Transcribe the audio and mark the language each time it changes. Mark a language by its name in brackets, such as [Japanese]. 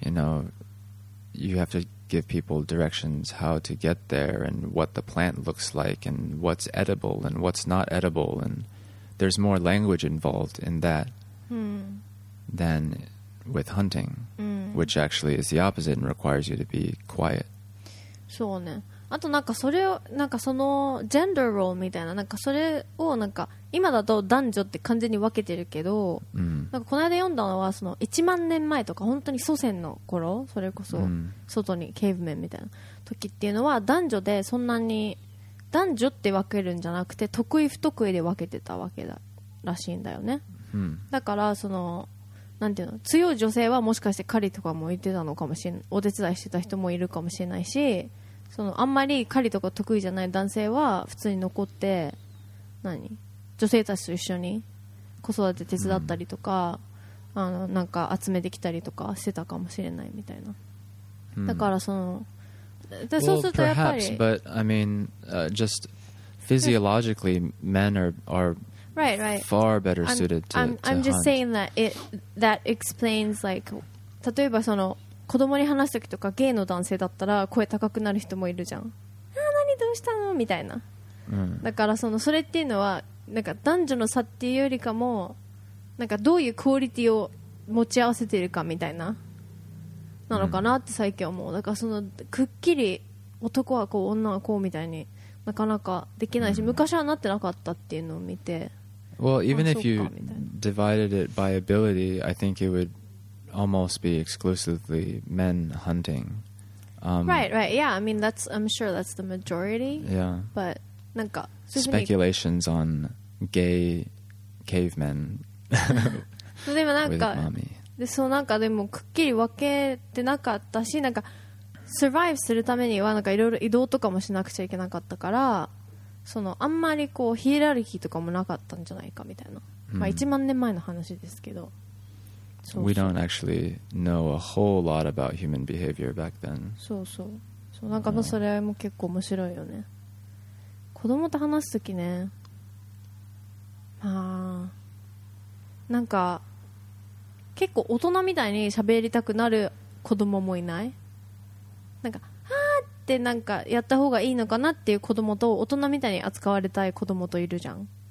[English] You know, you have to give people directions how to get there and what the plant looks like and what's edible and what's not edible. And there's more language involved in that than with hunting, which actually is the opposite and requires you to be quiet. [Japanese] そうね。あとなんかそれを、なんかそのジェンダーロールみたいな、なんかそれをなんか今だと男女って完全に分けてるけど、なんかこの間読んだのはその1万年前とか本当に祖先の頃、それこそ外にケーブメンみたいな時っていうのは男女でそんなに男女って分けるんじゃなくて得意不得意で分けてたわけだらしいんだよね。だからそのなんていうの、強い女性はもしかして狩りとかも行ってたのかもしれない、お手伝いしてた人もいるかもしれないし、そのあんまり狩りとか得意じゃない男性は普通に残って何、女性たちと一緒に子育て手伝ったりとか、あのなんか集めてきたりとかしてたかもしれないみたいな。だからその、でそうするとやっぱり、 [English] perhaps, but I mean, just physiologically, men are right, right. far better suited to hunt. I'm just saying that explains like, [Japanese] 例えばその子供に話すときとか、ゲイの男性だったら声高くなる人もいるじゃん。あ、何どうしたのみたいな。だからそのそれっていうのはなんか男女の差っていうよりかも、なんかどういうクオリティを持ち合わせてるかみたいななのかなって最近思う。だからそのくっきり男はこう女はこうみたいになかなかできないし、昔はなってなかったっていうのを見て。 [English] Well, even if you divided it by ability, I think it would almost be exclusively men hunting. Right, right. Yeah, I mean, that's, I'm sure that's the majority. Yeah. [Japanese] But, なんか、 [English] speculations on gay cavemen. [Japanese] でもなんか、で、そうなんかでもくっきり分けてなかったし、なんか、survive するためにはなんかいろいろ移動とかもしなくちゃいけなかったから、そのあんまりこうヒエラルキーとかもなかったんじゃないかみたいな、まあ、1万年前の話ですけど、そうそう、 [English] We don't actually know a whole lot about human behavior back then. [Japanese] そうそう、 そうなんかそれも結構面白いよね。子供と話すときね、まあなんか結構大人みたいに喋りたくなる子供もいない、なんかでなんかやった方がいいのかなっていう子供と大人みたいに扱われたい子供といるじゃん。